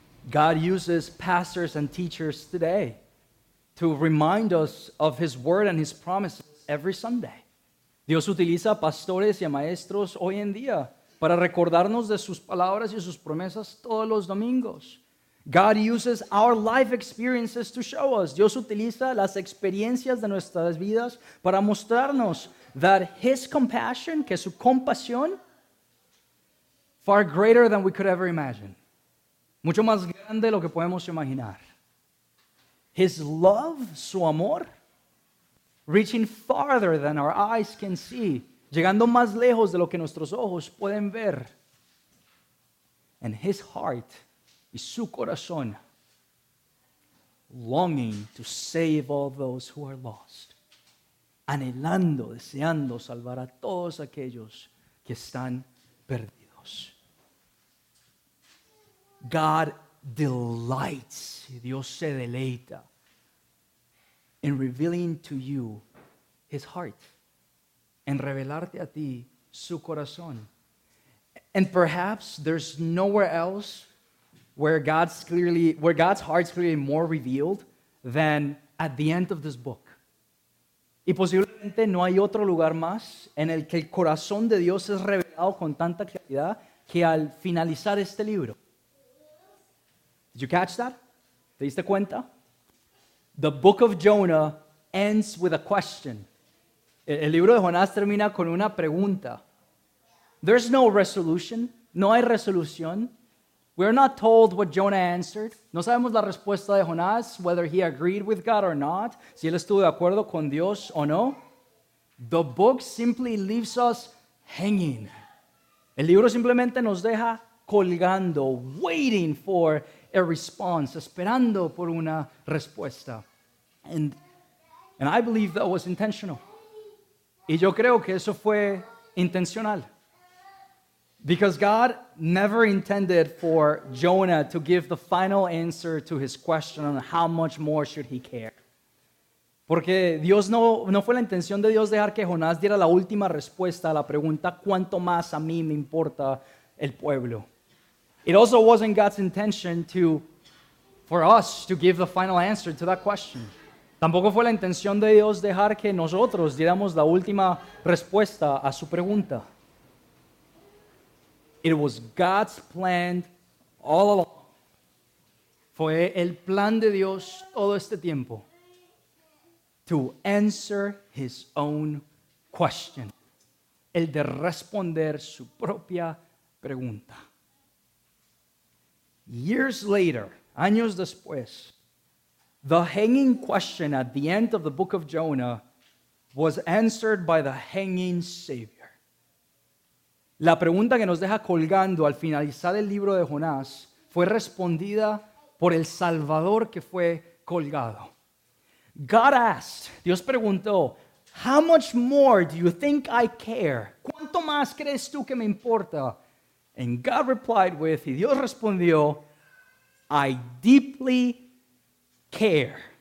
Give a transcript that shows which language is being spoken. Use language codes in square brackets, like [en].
[en] God uses pastors and teachers today to remind us of his word and his promises every Sunday. [es] Dios utiliza pastores y maestros hoy en día para recordarnos de sus palabras y sus promesas todos los domingos. [en] God uses our life experiences to show us. [es] Dios utiliza las experiencias de nuestras vidas para mostrarnos [en] that his compassion, [es] que su compasión, [en] far greater than we could ever imagine. [es] Mucho más grande de lo que podemos imaginar. [en] His love, [es] su amor, [en] reaching farther than our eyes can see, [es] llegando más lejos de lo que nuestros ojos pueden ver. [en] And his heart, [es] y su corazón, [en] longing to save all those who are lost. [es] anhelando, deseando salvar a todos aquellos que están perdidos. [en] God delights, [es] Dios se deleita [en] in revealing to you his heart, [es] en revelarte a ti su corazón. [en] And perhaps there's nowhere else where God's heart's clearly more revealed than at the end of this book. [es] Y posiblemente no hay otro lugar más en el que el corazón de Dios es revelado con tanta claridad que al finalizar este libro. [en] Did you catch that? [es] ¿Te diste cuenta? [en] The book of Jonah ends with a question. [es] El libro de Jonás termina con una pregunta. [en] There's no resolution. [es] No hay resolución. [en] We are not told what Jonah answered. [es] No sabemos la respuesta de Jonás, [en] whether he agreed with God or not, [es] si él estuvo de acuerdo con Dios o no. [en] The book simply leaves us hanging. [es] El libro simplemente nos deja colgando, [en] waiting for a response, [es] esperando por una respuesta. [en] And I believe that was intentional. [es] Y yo creo que eso fue intencional. [en] Because God never intended for Jonah to give the final answer to his question on how much more should he care. [es] Porque Dios no fue la intención de Dios dejar que Jonás diera la última respuesta a la pregunta, ¿cuánto más a mí me importa el pueblo? [en] It also wasn't God's intention for us to give the final answer to that question. [es] Tampoco fue la intención de Dios dejar que nosotros diéramos la última respuesta a su pregunta. [en] It was God's plan all along. [es] Fue el plan de Dios todo este tiempo. [en] To answer his own question. [es] El de responder su propia pregunta. [en] Years later, [es] años después, [en] the hanging question at the end of the book of Jonah was answered by the hanging Savior. [es] La pregunta que nos deja colgando al finalizar el libro de Jonás fue respondida por el Salvador que fue colgado. [en] God asked, [es] Dios preguntó, [en] how much more do you think I care? [es] ¿Cuánto más crees tú que me importa? [en] And God replied with, [es] y Dios respondió, [en] I deeply care.